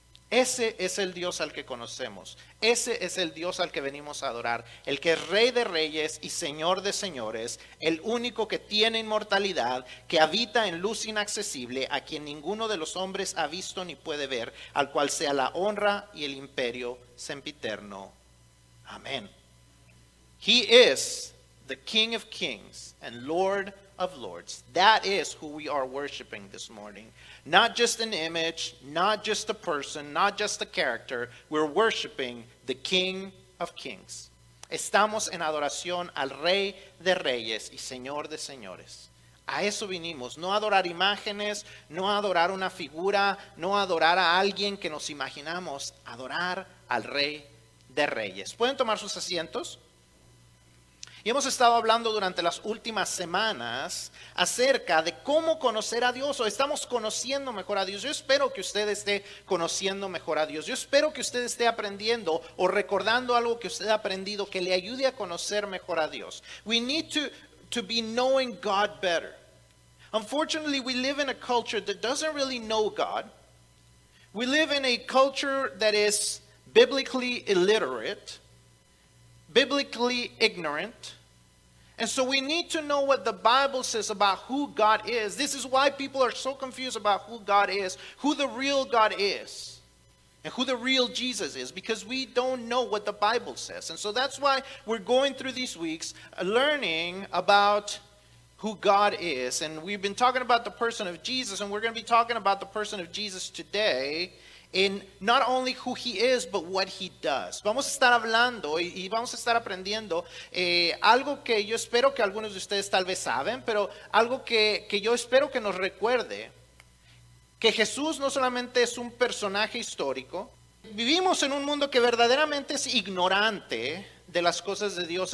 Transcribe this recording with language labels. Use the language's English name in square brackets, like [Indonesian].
[Spanish] Ese es el Dios al que conocemos. Ese es el Dios al que venimos a adorar. El que es Rey de reyes y Señor de señores. El único que tiene inmortalidad. Que habita en luz inaccesible. A quien ninguno de los hombres ha visto ni puede ver. Al cual sea la honra y el imperio sempiterno. Amén. [English] He is the King of kings and Lord of lords. That is who we are worshiping this morning. Not just an image, not just a person, not just a character. We're worshiping the King of Kings. [Spanish] Estamos en adoración al Rey de Reyes y Señor de Señores. A eso vinimos. No adorar imágenes, no adorar una figura, no adorar a alguien que nos imaginamos. Adorar al Rey de Reyes. ¿Pueden tomar sus asientos? Y hemos estado hablando durante las últimas semanas acerca de cómo conocer a Dios, o estamos conociendo mejor a Dios. Yo espero que usted esté conociendo mejor a Dios. Yo espero que usted esté aprendiendo o recordando algo que usted ha aprendido que le ayude a conocer mejor a Dios. [English] We need to be knowing God better. Unfortunately, we live in a culture that doesn't really know God. We live in a culture that is biblically illiterate. Biblically ignorant. And so we need to know what the Bible says about who God is. This is why people are so confused about who God is, who the real God is, and who the real Jesus is, because we don't know what the Bible says. And so that's why we're going through these weeks learning about who God is. And we've been talking about the person of Jesus, and we're going to be talking about the person of Jesus today. In not only who he is, but what he does. [Spanish] Vamos a estar hablando y vamos a estar aprendiendo algo que yo espero que algunos de ustedes tal vez saben, pero algo que yo espero que nos recuerde, que Jesús no solamente es un personaje histórico. Vivimos en un mundo que verdaderamente es ignorante de las cosas de Dios.